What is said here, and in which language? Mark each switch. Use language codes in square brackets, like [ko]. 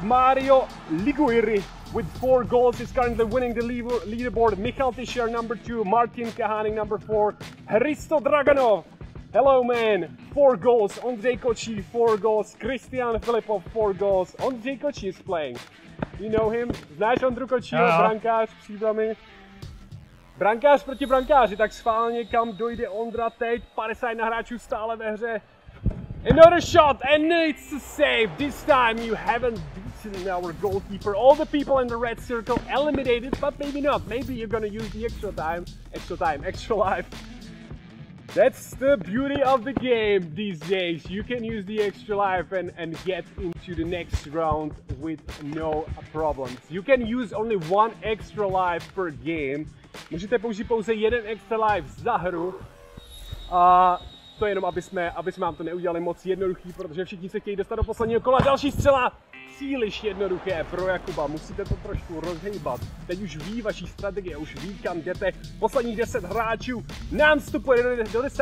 [en] Mario Liguiri with four goals is currently winning the leaderboard. Michal Tischer, number two. Martin Kahaning, number four. Hristo Draganov, hello man, four goals. Ondřej Kočí, four goals. Christian Filipov, four goals. Ondřej Kočí is playing. You know him? [cs] Znáš Ondru Kočího, brankář, příbramy? Brankář proti brankáři, tak schválně, kam dojde Ondra teď? 50 hráčů stále ve hře. [en] Another shot, and it's a save. This time you haven't beaten our goalkeeper. All the people in the red circle eliminated, but maybe not. Maybe you're gonna use the extra time. Extra time, extra life. That's the beauty of the game these days. You can use the extra life and get into the next round with no problems. You can use only one extra life per game. [cs] Můžete použít pouze jeden extra life za hru. To jenom, aby jsme vám to neudělali moc jednoduchý, protože všichni se chtějí dostat do posledního kola. Další střela, příliš jednoduché pro Jakuba, musíte to trošku rozhejbat. Teď už ví vaší strategie, už ví kam jdete. Posledních 10 hráčů nám vstupuje do 9.